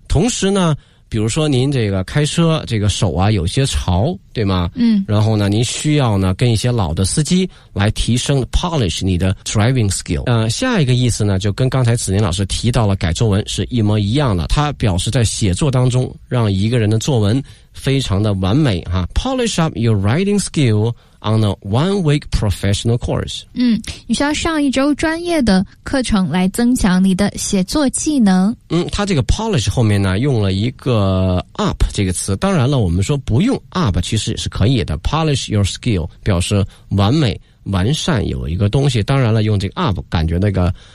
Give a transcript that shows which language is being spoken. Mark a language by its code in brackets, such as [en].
[zh] 同时呢比如说您这个开车这个手啊有些潮对吗，嗯，然后呢您需要呢跟一些老的司机来提升 polish 你的 driving skill。下一个意思呢就跟刚才子宁老师提到了改作文是一模一样的，它表示在写作当中让一个人的作文非常的完美哈。 [en] polish up your writing skill on a 1 week professional course， [zh] 嗯，你需要上一周专业的课程来增强你的写作技能。嗯，它这个 polish 后面呢用了一个 up 这个词，当然了我们说不用 up 其实也是可以的， [en] polish your skill [zh] 表示完美完善有一个东西，当然了用这个 up 感觉那个